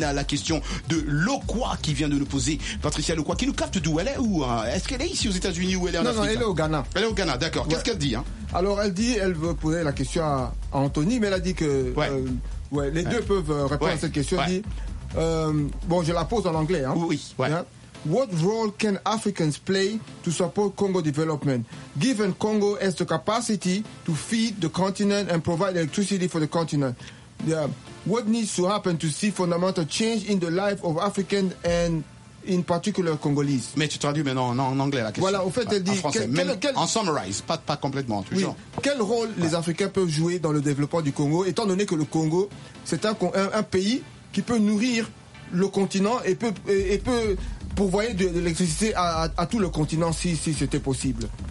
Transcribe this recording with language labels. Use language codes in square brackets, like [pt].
[fr] La question de Loquoi qui vient de nous poser. Patricia Loquoi qui nous capte d'où elle est, ou est-ce qu'elle est ici aux États-Unis ou elle est en Afrique? Non, elle est au Ghana. Elle est au Ghana, d'accord. Qu'est-ce qu'elle dit, hein? Alors, elle dit, elle veut poser la question à Anthony, mais elle a dit que les deux peuvent répondre à cette question. Elle dit, bon, je la pose en anglais, hein. Oui, ouais. [en] What role can Africans play to support Congo development, given Congo has the capacity to feed the continent and provide electricity for the continent? Yeah. What needs to happen to see fundamental change in the life of Africans and in particular Congolese? [fr] Mais tu traduis maintenant en anglais la question. Voilà, au fait, elle dit... En français, en summarize, pas complètement, toujours. Oui. Quel rôle les Africains peuvent jouer dans le développement du Congo, étant donné que le Congo, c'est un pays qui peut nourrir le continent et peut pourvoyer de l'électricité à tout le continent si c'était possible.